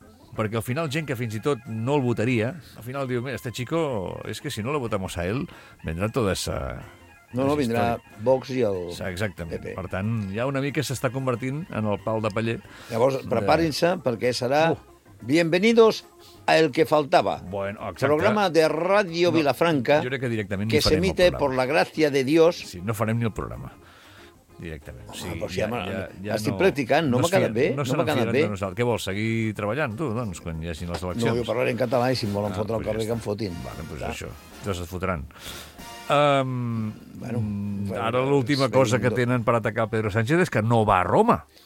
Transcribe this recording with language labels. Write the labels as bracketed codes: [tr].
[ca] Perquè al final gent que fins i tot no el votaria, al final diu, mira, [es] este chico, [ca] és que [es] si no lo votamos a él, vendrá toda esa... [ca] No, vindrà Vox i el... Exactament. Per tant, ja una mica s'està convertint en el pal de paller. Llavors, preparin-se, perquè serà... [es] Bienvenidos a El que faltaba. [ca] Bueno, exacte. [es] Programa de Radio Vilafranca, [ca] jo crec que directament que ni farem [es] s'emite por la gracia de Dios. [ca] Sí, no farem ni el programa. Directament. Home, sí, però si ja estic practicant, no m'ha quedat bé. No se n'enfiaran de nosaltres. Què vols, seguir treballant, tu, doncs, quan hi hagi les eleccions? No, jo parlaré en català i si em volen fotre al carrer, que em fotin. Vale, doncs això. Llavors es fotran. Ara l'última cosa que tenen per atacar Pedro Sánchez és que no va a Roma.